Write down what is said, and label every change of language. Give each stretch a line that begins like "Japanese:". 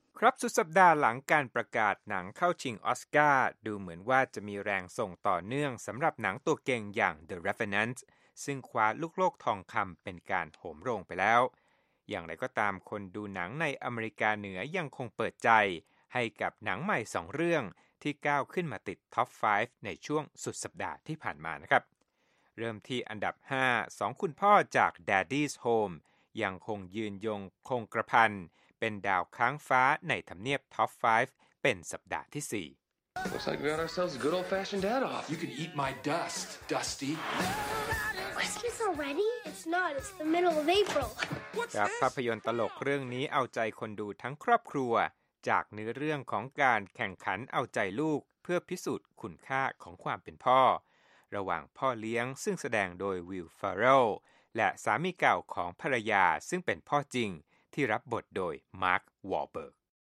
Thai: ครับสุดสัปดาห์หลังการประกาศหนังเข้าชิงออสการ์ดูเหมือนว่าจะมีแรงส่งต่อเนื่องสำหรับหนังตัวเก่งอย่าง The Revenant ซึ่งคว้าลูกโลกทองคำเป็นการโหมโรงไปแล้วอย่างไรก็ตามคนดูหนังในอเมริกาเหนือยังคงเปิดใจให้กับหนังใหม่2เรื่องที่ก้าวขึ้นมาติดท็อป5ในช่วงสุดสัปดาห์ที่ผ่านมานะครับ เริ่มที่อันดับ5 2คุณพ่อจาก Daddy's Home ยังคงยืนยงคงกระพันเป็นดาวค้างฟ้าในทำเนียบท็อป5เป็นสัปดาห์ที่4
English: Looks like we got ourselves a good old fashioned dad off. You can eat my dust, Dusty. What's this already? It's not. It's the middle of April.
Thai: จากภาพยนตร์ตลกเรื่องนี้เอาใจคนดูทั้งครอบครัวจากเนื้อเรื่องของการแข่งขันเอาใจลูกเพื่อพิสูจน์คุณค่าของความเป็นพ่อระหว่างพ่อเลี้ยงซึ่งแสดงโดยวิลฟาร์เรลและสามีเก่าของภรรยาซึ่งเป็นพ่อจริงที่รับบทโดยมาร์ควอลเบิร์ก